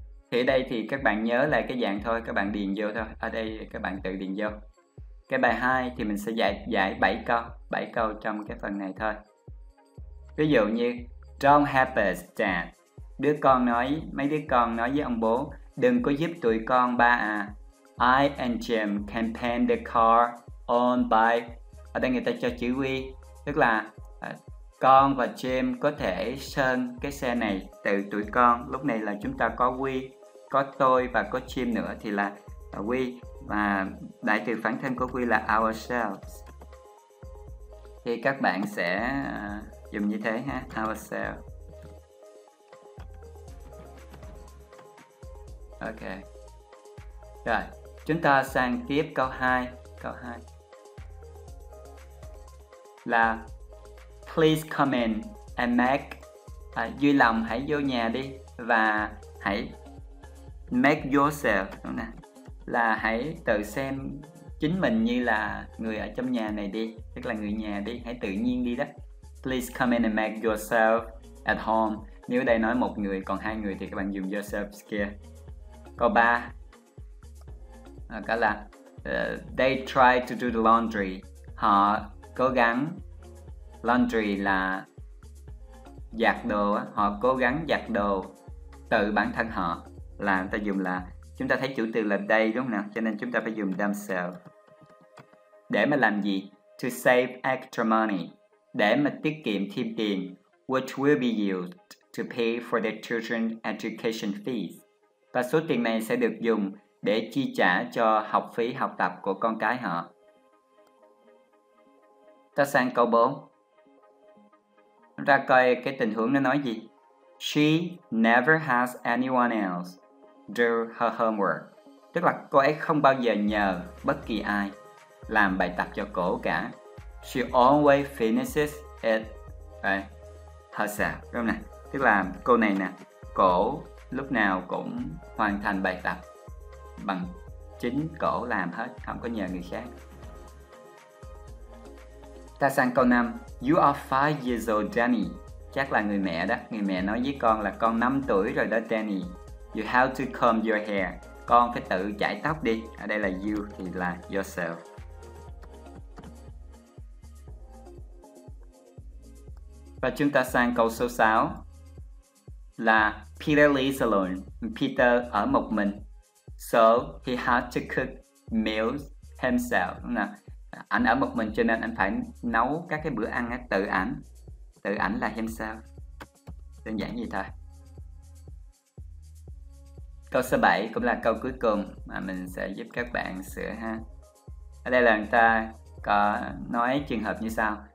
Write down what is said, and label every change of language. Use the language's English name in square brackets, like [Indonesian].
[Vietnamese] Thì ở đây thì các bạn nhớ lại cái dạng thôi, các bạn điền vô thôi. Ở đây các bạn tự điền vô. Cái bài 2 thì mình sẽ giải 7 câu trong cái phần này thôi. Ví dụ như [English] Don't help us, Dad. [Vietnamese] Mấy đứa con nói với ông bố, đừng có giúp tụi con ba à. [English] I and Jim can paint the car on by. [Vietnamese] Ở đây người ta cho chữ we, tức là con và Jim có thể sơn cái xe này tự tụi con. Lúc này là chúng ta có we, có tôi và có Jim nữa thì là we, và đại từ phản thân của we là ourselves. Thì các bạn sẽ dùng như thế ha, ourselves. Ok. Rồi, chúng ta sang tiếp câu 2. Câu 2 là [English] please come in and make, [Vietnamese] vui lòng hãy vô nhà đi và hãy make yourself, đúng nè, là hãy tự xem chính mình như là người ở trong nhà này đi, tức là người nhà đi, hãy tự nhiên đi đó. [English] Please come in and make yourself at home. [Vietnamese] Nếu đây nói một người, còn hai người thì các bạn dùng yourself kia. Câu 3 đó là [English] they try to do the laundry, [Vietnamese] họ cố gắng. Laundry là giặt đồ, họ cố gắng giặt đồ tự bản thân họ. Là người ta dùng là, chúng ta thấy chủ từ là they đúng không nào? Cho nên chúng ta phải dùng themselves. Để mà làm gì? [English] To save extra money, [Vietnamese] để mà tiết kiệm thêm tiền, [English] which will be used to pay for their children's education fees. [Vietnamese] Và số tiền này sẽ được dùng để chi trả cho học phí học tập của con cái họ. Ta sang câu 4. Ra coi cái tình huống nó nói gì. [English] She never has anyone else do her homework. [Vietnamese] Tức là cô ấy không bao giờ nhờ bất kỳ ai làm bài tập cho cô cả. [English] She always finishes it herself. [Vietnamese] Đúng không nào? Tức là cô này nè, cô lúc nào cũng hoàn thành bài tập bằng chính cô làm hết, không có nhờ người khác. Ta sang câu 5. [English] You are 5 years old, Danny. [Vietnamese] Chắc là người mẹ đó. Người mẹ nói với con là con 5 tuổi rồi đó, Danny. [English] You have to comb your hair. [Vietnamese] Con phải tự chải tóc đi. Ở đây là you thì là yourself. Và chúng ta sang câu số 6. Là [English] Peter lives alone. [Vietnamese] Peter ở một mình. [English] So he has to cook meals himself. [Vietnamese] Đúng không? Anh ở một mình cho nên anh phải nấu các cái bữa ăn ấy, tự ảnh là himself, đơn giản vậy thôi. Câu số 7 cũng là câu cuối cùng mà mình sẽ giúp các bạn sửa ha. Ở đây là người ta có nói trường hợp như sau.